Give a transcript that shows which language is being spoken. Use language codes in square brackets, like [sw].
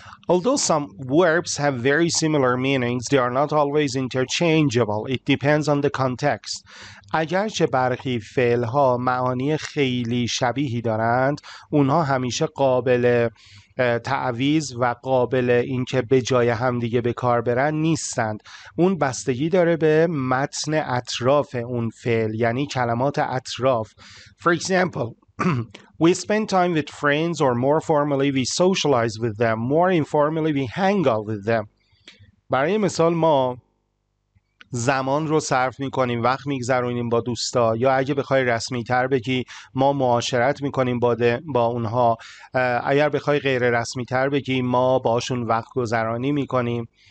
[en] Although some verbs have very similar meanings, they are not always interchangeable. It depends on the context. [fa] اگرچه برخی فعل‌ها معانی خیلی شبیهی دارند، اونها همیشه قابل تعویض و قابل اینکه به جای همدیگه به کار برن نیستند. اون بستگی داره به متن اطراف اون فعل، یعنی کلمات اطراف. [en] For example, we spend time with friends or more formally we socialize with them. More informally we hang out with them. [fa] برای مثال ما زمان رو صرف میکنیم، وقت میگذرونیم با دوستا، یا اگه بخوای رسمی تر بگی ما معاشرت میکنیم با اونها، اگر بخوای غیر رسمی تر بگی ما باشون وقت گذرانی میکنیم.